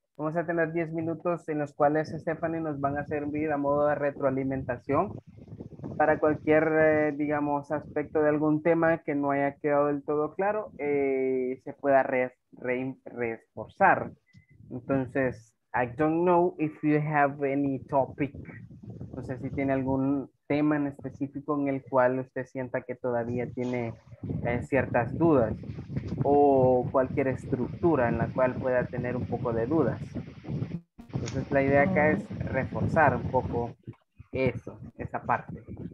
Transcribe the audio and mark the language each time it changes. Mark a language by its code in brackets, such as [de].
[es] Vamos a tener 10 minutos en los cuales Stephanie nos van a servir a modo de retroalimentación para cualquier, digamos, aspecto de algún tema que no haya quedado del todo claro, se pueda reforzar. [en] Entonces, I don't know if you have any topic. [es] No sé si tiene algún tema en específico en el cual usted sienta que todavía tiene ciertas dudas o cualquier estructura en la cual pueda tener un poco de dudas. Entonces la idea acá es reforzar un poco eso, esa parte.